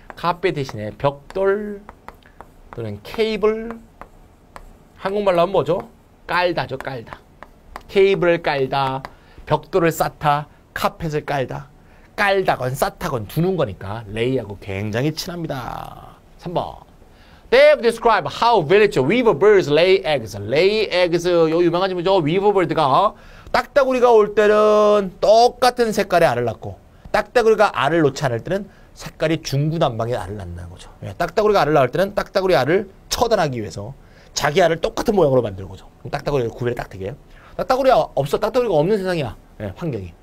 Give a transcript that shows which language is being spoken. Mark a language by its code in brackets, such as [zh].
[ko] 카펫 대신에 벽돌 또는 케이블. 한국말로 하면 뭐죠? 깔다죠. 깔다. 케이블을 깔다. 벽돌을 쌓다. 카펫을 깔다. 깔다건 쌓다건 두는 거니까 레이하고 굉장히 친합니다. 3번. [en] They have described how village weaver birds lay eggs. [ko] lay eggs. 요 유명한 질문이죠. weaver bird가 딱따구리가 올 때는 똑같은 색깔의 알을 낳고 딱따구리가 알을 놓지 않을 때는 색깔이 중구난방에 알을 낳는 거죠. 예, 딱따구리가 알을 낳을 때는 딱따구리 알을 처단하기 위해서 자기 알을 똑같은 모양으로 만드는 거죠. 딱따구리가 구별이 딱 되게. 딱따구리가 없어. 딱따구리가 없는 세상이야. 예, 환경이.